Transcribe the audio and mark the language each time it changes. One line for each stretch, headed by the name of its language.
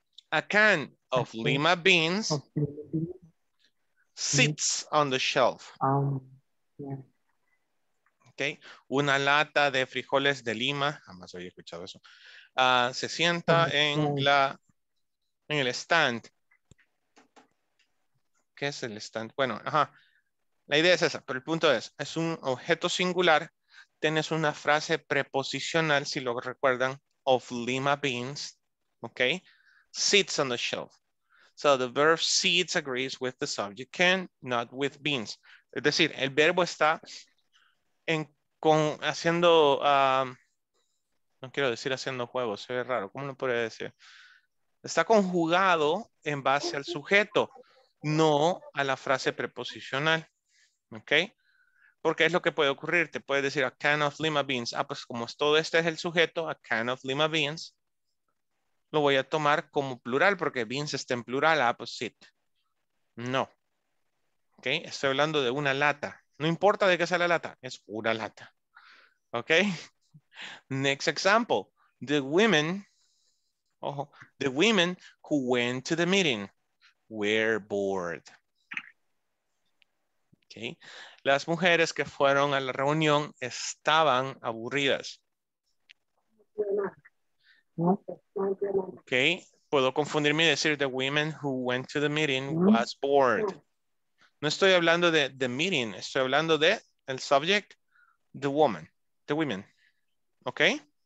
English: A can of Lima beans sits on the shelf. Okay.
Spanish: Una lata de frijoles de Lima, jamás había escuchado eso, se sienta en la en el stand. ¿Qué es el stand? Bueno, ajá. La idea es esa, pero el punto es un objeto singular, tienes una frase preposicional, si lo recuerdan,
English: of Lima beans, okay? Sits on the shelf. So the verb sits agrees with the subject can, not with beans.
Spanish: Es decir, el verbo está en, con, haciendo, no quiero decir haciendo juegos, se ve raro, ¿cómo lo podría decir? Está conjugado en base al sujeto, no a la frase preposicional. ¿Ok? Porque es lo que puede ocurrir. Te puedes decir
English: a can of lima beans.
Spanish: Ah, pues como todo este es el sujeto, a can of lima beans, lo voy a tomar como plural porque beans está en plural. Ah, pues sit. No. ¿Ok? Estoy hablando de una lata. No importa de qué sea la lata, es una lata.
English: ¿Ok? Next example. The women, ojo, the women who went to the meeting were bored. Okay.
Spanish: Las mujeres que fueron a la reunión estaban aburridas.
English: Okay.
Spanish: Puedo confundirme y decir the women who went to the meeting was bored. No estoy hablando de
English: the meeting,
Spanish: estoy hablando de el
English: subject, the woman, the women. Okay.